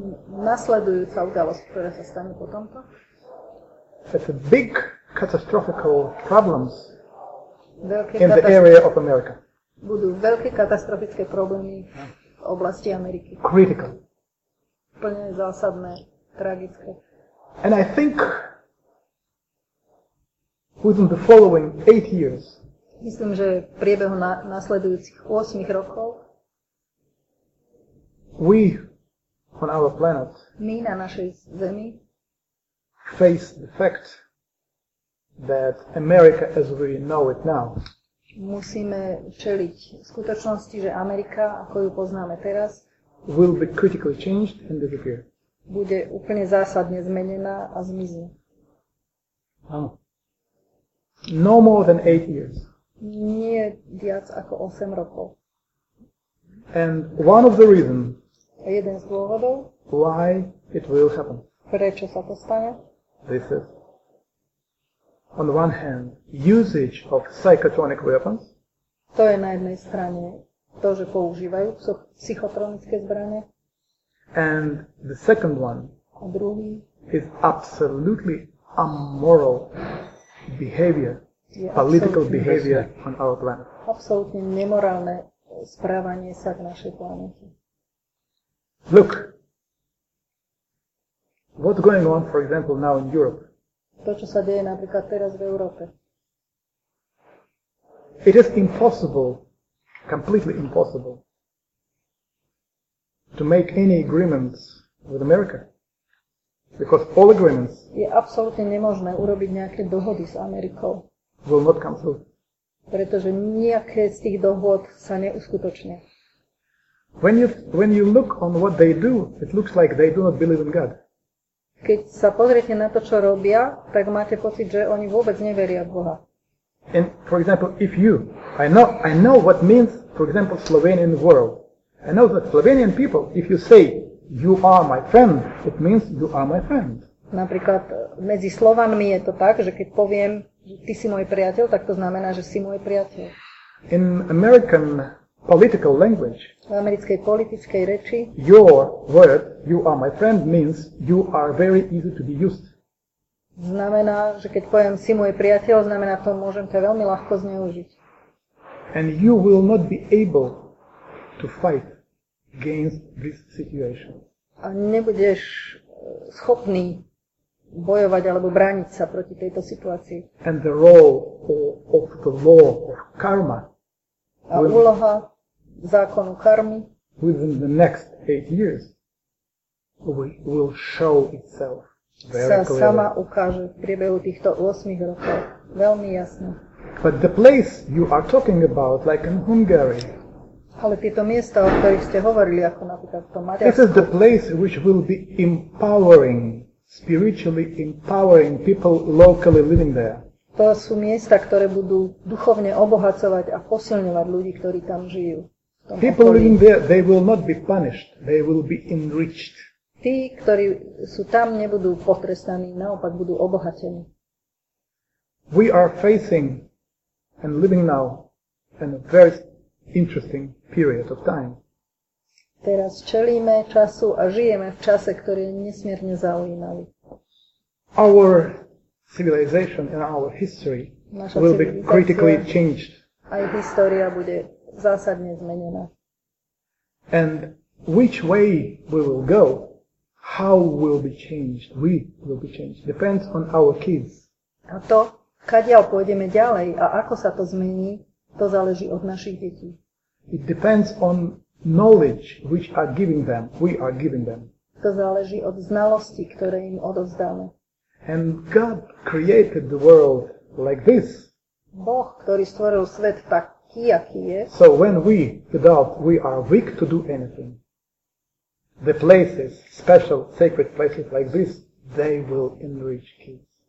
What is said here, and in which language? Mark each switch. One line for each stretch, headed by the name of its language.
Slovak: Nasledujúca udalosť, ktorá sa stane po tomto.
English: It's a big catastrophical problems. In the area of America.
Slovak: Budú veľké katastrofické problémy v oblasti Ameriky.
English: Critical.
Slovak: Úplne zásadné, tragické.
English: And I think within the following 8 years.
Slovak: Myslím, že v priebehu nasledujúcich 8 rokov
English: we on our planet
Slovak: my na našej Zemi
English: face the fact that America as we know it now.
Slovak: Musíme čeliť skutočnosti, že Amerika, ako ju poznáme teraz,
English: will be critically changed and disappear.
Slovak: Bude úplne zásadne zmenená a zmizne. Áno.
English: No more than 8 years.
Slovak: Nie viac ako 8 rokov.
English: And one of the reasons.
Slovak: A jeden z dôvodov.
English: Why it will happen.
Slovak: Prečo sa to stane?
English: This is. On the one hand, usage of psychotronic weapons.
Slovak: To je na jednej strane to, že používajú psychotronické zbrane.
English: And the second one.
Slovak: A druhý.
English: Is absolutely immoral behavior, political behavior on our planet.
Slovak: Absolutne nemorálne správanie sa k našej planete.
English: Look. What's going on, for example, now in Europe?
Slovak: To, čo sa deje napríklad teraz v Európe.
English: It is impossible, completely impossible, to make any agreements with America. Because all agreements
Slovak: je absolútne nemožné urobiť nejaké dohody s Amerikou.
English: Will not come through.
Slovak: Pretože nejaké z tých dohod sa neuskutočne.
English: When you look on what they do, it looks like they do not believe in God.
Slovak: Keď sa pozriete na to, čo robia, tak máte pocit, že oni vôbec neveria v Boha.
English: And for example, if you, I know what means, for example, Slovenian world. I know that Slovenian people, if you say, you are my friend, it means you are my friend.
Slovak: Napríklad medzi Slovanmi je to tak, že keď poviem, že ty si môj priateľ, tak to znamená, že si môj priateľ.
English: In American political language.
Slovak: V americkej politickej reči.
English: Your word, you are my friend, means you are very easy to be used.
Slovak: Znamená, že keď poviem si môj priateľ, znamená to, môžem ťa veľmi ľahko zneužiť.
English: And you will not be able to fight against this situation.
Slovak: A nebudeš schopný bojovať alebo brániť sa proti tejto situácii.
English: And the role of the law of karma.
Slovak: A úloha zákonu karmy
English: within the next 8 years will show itself very clearly.
Slovak: Sa sama ukáže v priebehu týchto 8 rokov veľmi jasne.
English: But the place you are talking about, like in Hungary,
Slovak: ale tieto miesta, o ktorých ste hovorili, ako napríklad to Maďarsko,
English: this is the place which will be empowering spiritually empowering people locally living there.
Slovak: To sú miesta, ktoré budú duchovne obohacovať a posilňovať ľudí, ktorí tam žijú.
English: People living there, they will not be punished, they will be enriched.
Slovak: Tí, ktorí sú tam, nebudú potrestaní, naopak budú obohatení.
English: We are facing and living now in a very interesting period of time.
Slovak: Teraz čelíme času a žijeme v čase, ktorý je nesmierne zaujímavý.
English: Our civilization and our history will be critically changed.
Slovak: Aj história bude zásadne zmenená.
English: And which way we will go, how will be changed, we will be changed, depends on our kids.
Slovak: A to, kadiaľ pôjdeme ďalej a ako sa to zmení, to záleží od našich detí.
English: It depends on knowledge which are giving them, we are giving them.
Slovak: To záleží od znalosti, ktoré im odovzdáme.
English: And God created the world like this.
Slovak: Boh, ktorý stvoril svet tak,
English: so when we adult we are weak to do anything, the places, special sacred places like this, they will enrich kids.